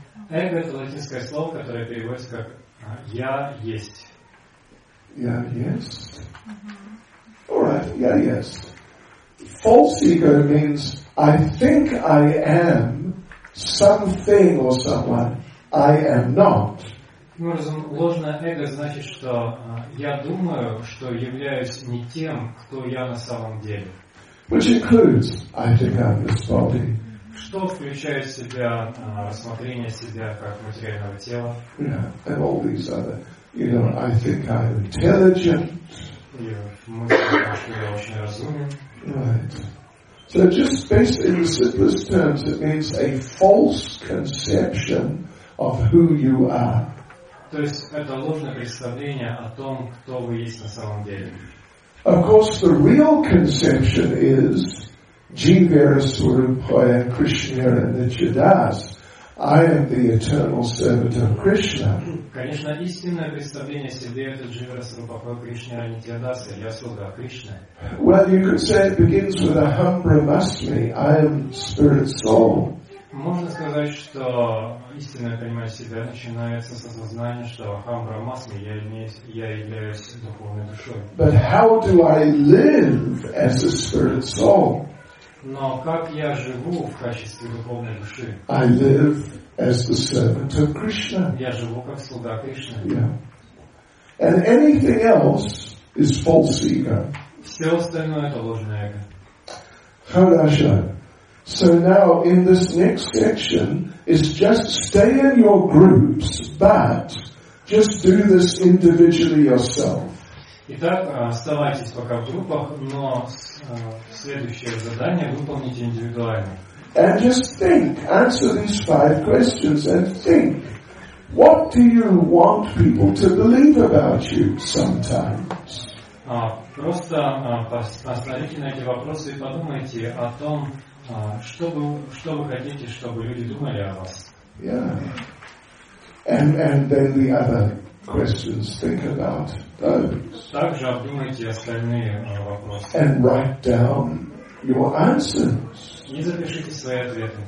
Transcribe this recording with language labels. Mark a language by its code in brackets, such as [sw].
[ru] Эго — это латинское слово, которое переводится как я есть. Я есть? [en] Alright, [ru] я есть. [en] False ego means I think I am something or someone I am not. [ru] Таким образом, ложное эго значит, что я думаю, что являюсь не тем, кто я на самом деле. [en] Which includes I think I'm this body. [ru] Что включает в себя рассмотрение себя как материального тела? [en] Yeah, and all these other, you know, I think I'm intelligent. [ru] И мысль, что я очень разумен. [en] Right. So just based in the simplest terms, it means a false conception of who you are. [ru] То есть это ложное представление о том, кто вы есть на самом деле. [en] Of course, the real conception is Jivarasvarupaya Krishna Nityadas. I am the eternal servant of Krishna. [ru] Конечно, истинное представление себе — это Jivarasvarupaya Krishna Nityadas. Я слуга Кришны. [en] Well, you could say it begins with a hum brahmasmi. I am spirit soul. [ru] Можно сказать, что истинное понимание себя начинается с осознания, что Ахам Брахмасми, я являюсь духовной душой. [en] But how do I live as a spirit soul? [ru] Но как я живу в качестве духовной души? [en] I live as the servant of Krishna. [ru] Я живу как слуга Кришны. [en] Yeah. And anything else is false ego. [ru] Все остальное — это ложное эго. Хорошо. [en] So now, in this next section, it's just stay in your groups, but Just do this individually yourself. [ru] Итак, оставайтесь пока в группах, но следующее задание выполните индивидуально. [en] And just think, answer these five questions and think, what do you want people to believe about you sometimes? [ru] Просто остановите на эти вопросы и подумайте о том, что вы хотите, чтобы люди думали о вас. [en] Yeah. And then the other questions, think about those. [ru] Также обдумайте остальные вопросы. [en] And write down your answers. [ru] Не запишите свои ответы.